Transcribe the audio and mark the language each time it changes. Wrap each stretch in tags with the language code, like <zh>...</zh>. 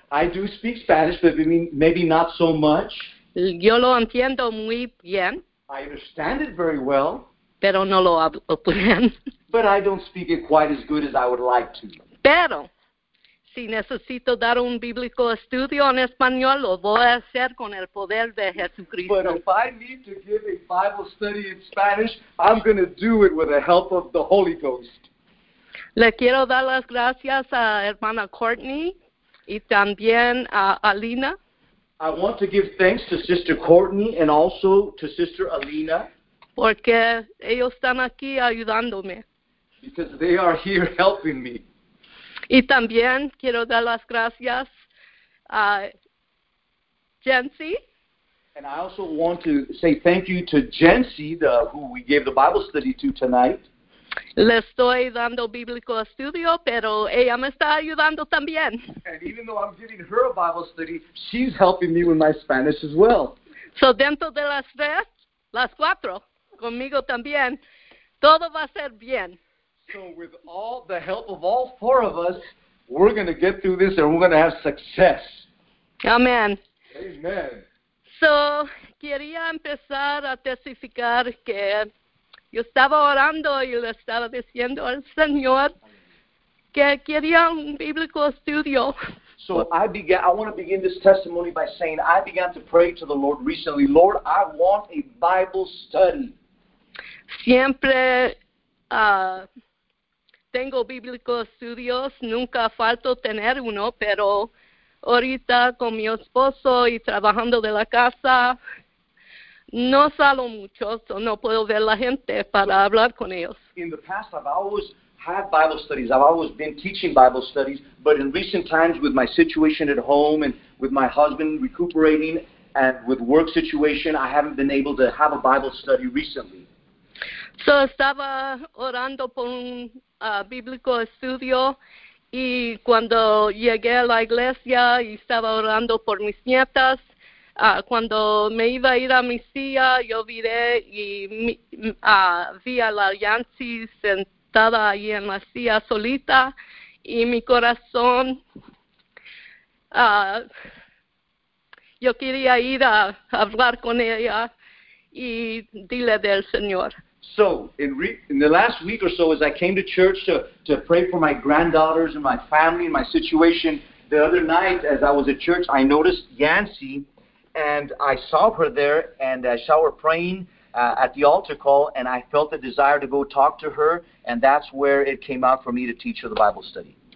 <en>I do speak Spanish, but maybe not so much.</en> <es>Yo lo entiendo muy bien.</es> <en>I understand it very well.</en> <es>Pero no lo hablo bien.</es> <en>But I don't speak it quite as good as I would like to.</en> <es>Pero, si necesito dar un bíblico estudio en español, lo voy a hacer con el poder de Jesucristo.</es> <en>But if I need to give a Bible study in Spanish, I'm going to do it with the help of the Holy Ghost.</en> <es>Le quiero dar las gracias a hermana Courtney y también a Alina.</es> <en>I want to give thanks to Sister Courtney and also to Sister Alina.</en> <es>Porque ellos están aquí ayudándome.</es> <en>Because they are here helping me.</en> <es>Y también quiero dar las gracias a Jency.</es> <en>And I also want to say thank you to Jency, who we gave the Bible study to tonight.</en> <es>Le estoy dando bíblico estudio, pero ella me está ayudando también.</es> <en>And even though I'm giving her a Bible study, she's helping me with my Spanish as well.</en> <es>So dentro de las tres, las cuatro, conmigo también, todo va a ser bien.</es> <en>So with all the help of all four of us, we're going to get through this and we're going to have success. Amen. Amen.</en> <es>So, quería empezar a testificar que yo estaba orando y le estaba diciendo al Señor que quería un bíblico estudio.</es> <en>So I want to begin this testimony by saying I began to pray to the Lord recently. Lord, I want a Bible study.</en> <es>Siempre tengo bíblicos estudios. Nunca falto tener uno, pero ahorita con mi esposo y trabajando de la casa, no salgo mucho, so no puedo ver la gente para hablar con ellos.</es> <en>In the past, I've always had Bible studies. I've always been teaching Bible studies. But in recent times, with my situation at home and with my husband recuperating and with work situation, I haven't been able to have a Bible study recently.</en> <es>So estaba orando por un bíblico estudio. Y cuando llegué a la iglesia y estaba orando por mis nietas, cuando me iba a ir a mi silla, yo viré y vi a la Yancy sentada ahí en la silla solita, y mi corazón, yo quería ir a hablar con ella y dile del Señor.</es> <en>So, in the last week or so, as I came to church to pray for my granddaughters and my family and my situation, the other night as I was at church, I noticed Yancy. And I saw her there, and I saw her praying at the altar call, and I felt the desire to go talk to her, and that's where it came out for me to teach her the Bible study.</en>